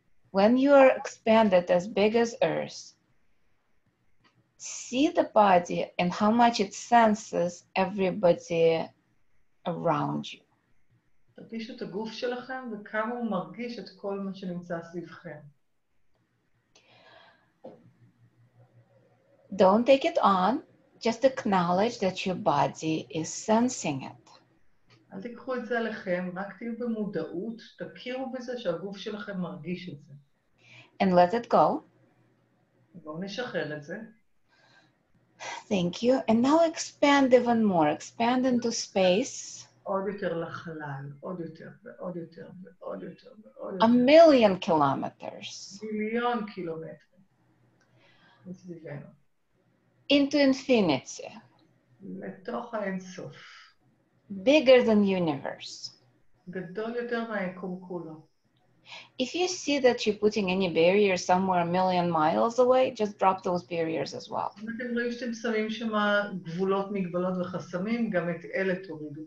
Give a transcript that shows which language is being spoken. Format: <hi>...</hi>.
<en>When you are expanded as big as earth, see the body and how much it senses everybody around you.</en> <he>תרגישו את הגוף שלכם וכמה הוא מרגיש את כל מה שנמצא סביבכם.</he> <en>Don't take it on, just acknowledge that your body is sensing it.</en> <he>אל תיקחו את זה עליכם, רק תהיו במודעות, תכירו בזה שהגוף שלכם מרגיש את זה.</he> <en>And let it go.</en> <he>בואו נשחרר את זה.</he> <en>Thank you. And now expand even more. Expand into space.</en> <he>עוד יותר לחלל, עוד יותר, ועוד יותר, ועוד יותר, ועוד יותר.</he> <en>A million kilometers.</en> <he>מיליון קילומטר.</he> <en>Into infinity.</en> <he>לתוך האינסוף.</he> <en>Bigger than universe.</en> <he>גדול יותר מהיקום כולו.</he> <en>If you see that you're putting any barrier somewhere a million miles away, just drop those barriers as well.</en> <he>אם אתם רואים שאתם שמים שם גבולות, מגבלות וחסמים, גם את אלה תורידו.</he>